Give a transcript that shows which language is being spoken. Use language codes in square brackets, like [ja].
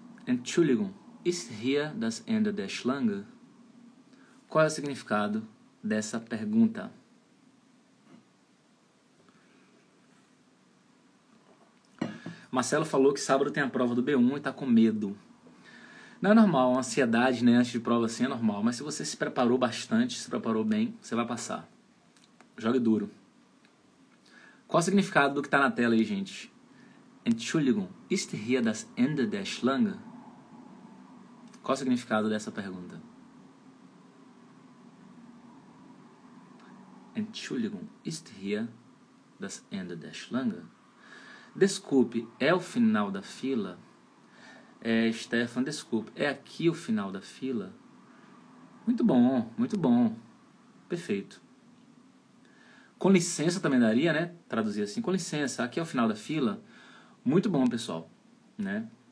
[de] Entschuldigung, ist hier das Ende der Schlange? [pt] Qual é o significado dessa pergunta? Marcelo falou que sábado tem a prova do B1 e tá com medo. Não é normal, a ansiedade, né, antes de prova assim é normal, mas se você se preparou bastante, se preparou bem, você vai passar. Jogue duro. Qual o significado do que tá na tela aí, gente? [de] Entschuldigung, ist hier das Ende der Schlange? [pt] Qual o significado dessa pergunta? [de] Entschuldigung, ist hier das Ende der Schlange? [pt] Desculpe, é o final da fila? Stefan, desculpe, é aqui o final da fila? Muito bom, muito bom. Perfeito. Com licença também daria, né? Traduzir assim, com licença, aqui é o final da fila? Muito bom, pessoal, né?